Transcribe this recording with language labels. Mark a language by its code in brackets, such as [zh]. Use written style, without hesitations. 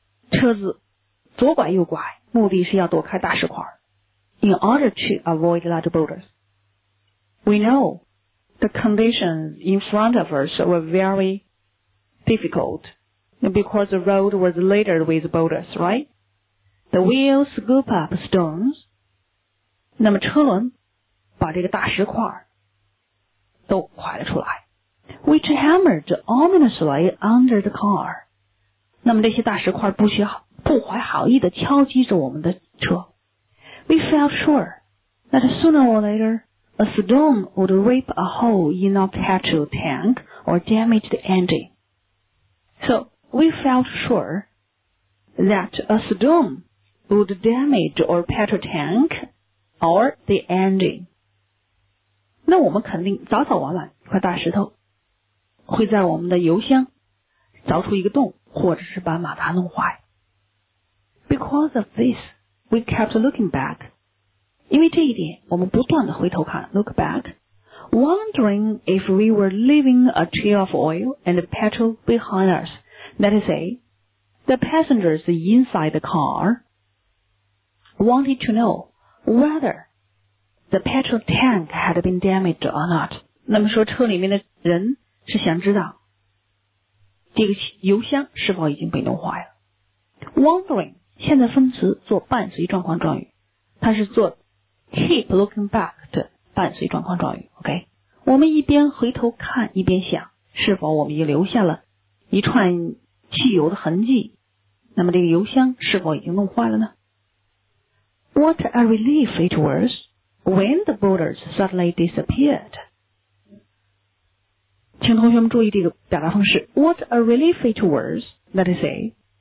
[zh] 车子左拐右拐，目的是要躲开大石块。 [en] In order to avoid large boulders, we know the conditions in front of us were very difficult. Because the road was littered with boulders, right? The wheel scoop up stones. [zh] 那么车轮把这个大石块都快了出来。 [en] Which hammered ominously under the car. [zh] 那么这些大石块不怀好意地敲击着我们的车。 [en] We felt sure that sooner or later, a stone would rip a hole in our petrol tank or damage the engine. We felt sure that a stone would damage our petrol tank or the engine. [zh] 那我们肯定早早晚晚一块大石头会在我们的油箱凿出一个洞或者是把马达弄坏。 [en] Because of this, we kept looking back. [zh] 因为这一点我们不断地回头看 [en] look back, wondering if we were leaving a trail of oil and petrol behind us. That is, the passengers inside the car wanted to know whether the petrol tank had been damaged or not. [zh] 那么说车里面的人是想知道这个油箱是否已经被弄坏了。 Wondering, 现在分词做伴随状况状语。它是做 [en] keep looking back [zh] 的伴随状况状语。OK? 我们一边回头看一边想是否我们已留下了一串汽油的痕迹，那么这个油箱是否已经弄坏了呢？ [en] What a relief it was when the boulders suddenly disappeared. [zh] 请同学们注意这个表达方式。 [en] What a relief it was, let us say.